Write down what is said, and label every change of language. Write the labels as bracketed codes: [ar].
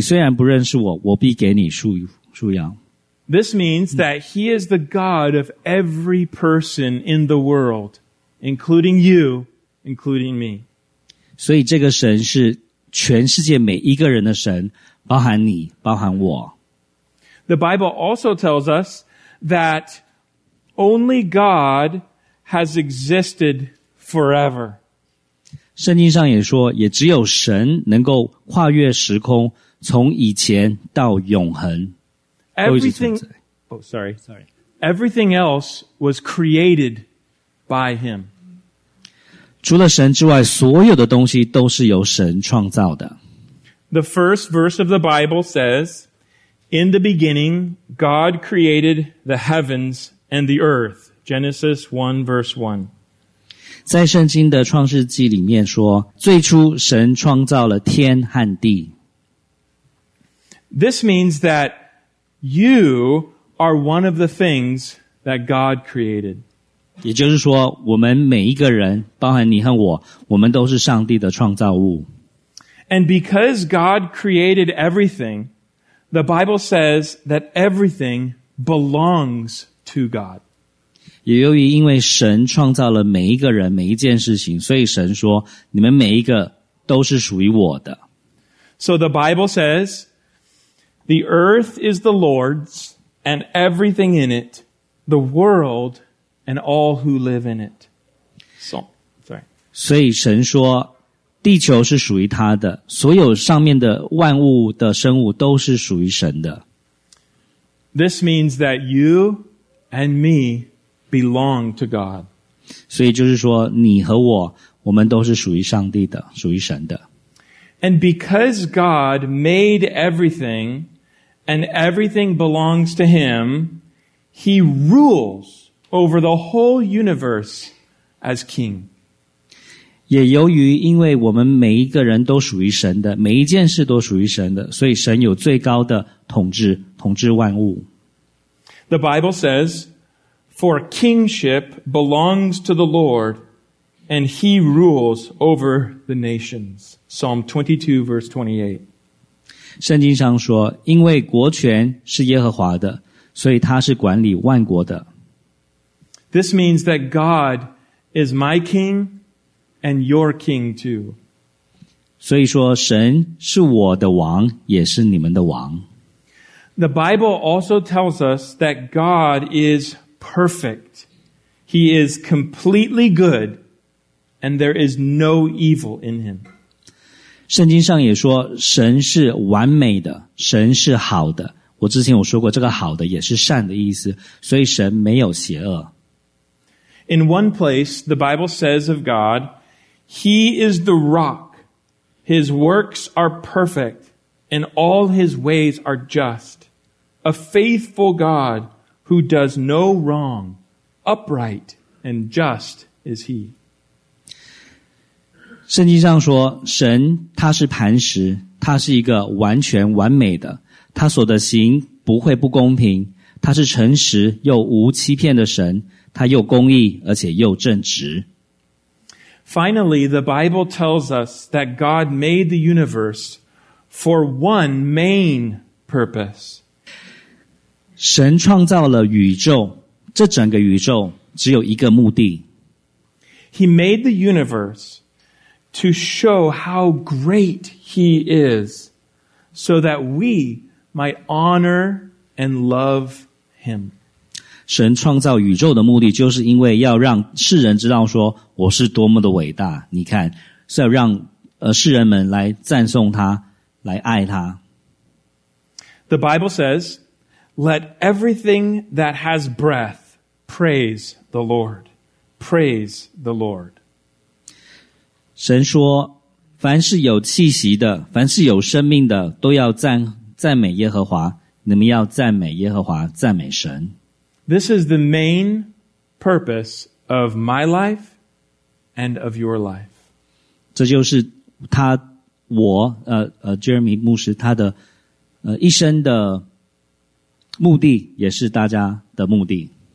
[zh] 所以圣经上面说，我是耶和华，在我以外没有别的神，除了我以外也没有其他的神。你虽然不认识我，我必给你祝福。 [en] This means that he is the God of every person in the world, including you, including me. [zh] 所以这个神是全世界每一个人的神，包含你，包含我。 [en] The Bible also tells us that only God has existed forever. [zh] 圣经上也说，也只有神能够跨越时空，从以前到永恒。 [en] Everything else was created by him. [zh] 除了神之外, 所有的东西都是由神创造的。 [en] The first verse of the Bible says, In the beginning, God created the heavens and the earth. Genesis 1 verse 1. [zh] 在圣经的创世纪里面说, 最初神创造了天和地。 [en] This means that you are one of the things that God created. [zh] 也就是说，我们每一个人，包含你和我，我们都是上帝的创造物。 [en] And because God created everything, the Bible says that everything belongs to God. [zh] 也由于因为神创造了每一个人，每一件事情，所以神说，你们每一个都是属于我的。 [en] So the Bible says, The earth is the Lord's and everything in it, the world and all who live in it. So, sorry. [zh] 所以神说地球是属于他的，所有上面的万物的生物都是属于神的。 [en] This means that you and me belong to God. [zh] 所以就是说你和我，我们都是属于上帝的，属于神的。 [en] And because God made everything, and everything belongs to Him, He rules over the whole universe as King. [zh] 也由于因为我们每一个人都属于神的，每一件事都属于神的，所以神有最高的统治，统治万物。 [en] The Bible says, for kingship belongs to the Lord, and He rules over the nations. Psalm 22, verse 28. [zh] 圣经上说，因为国权是耶和华的，所以他是管理万国的。 [en] This means that God is my king and your king too. [zh] 所以说神是我的王，也是你们的王。 [en] The Bible also tells us that God is perfect. He is completely good, and there is no evil in Him. [zh] 圣经上也说神是完美的，神是好的。我之前有说过，这个好的也是善的意思，所以神没有邪恶。 [en] In one place, the Bible says of God, He is the rock. His works are perfect, and all His ways are just. A faithful God who does no wrong, upright and just is He. [zh] 圣经上说，神他是磐石，他是一个完全完美的，他所的行不会不公平，他是诚实又无欺骗的神，他又公义而且又正直。 [en] Finally, the Bible tells us that God made the universe for one main purpose. [zh] 神创造了宇宙，这整个宇宙只有一个目的。 [en] He made the universe to show how great He is, so that we might honor and love Him. [zh] 神创造宇宙的目的就是因为要让世人知道说我是多么的伟大，你看，是要让世人们来赞颂他，来爱他。 [en] The Bible says, let everything that has breath praise the Lord. Praise the Lord. [zh] 神说，凡是有气息的，凡是有生命的，都要赞美耶和华，你们要赞美耶和华，赞美神。 [en] This is the main purpose of my life and of your life. [zh] 这就是他，我，Jeremy 牧师，他的一生的目的，也是大家的目的。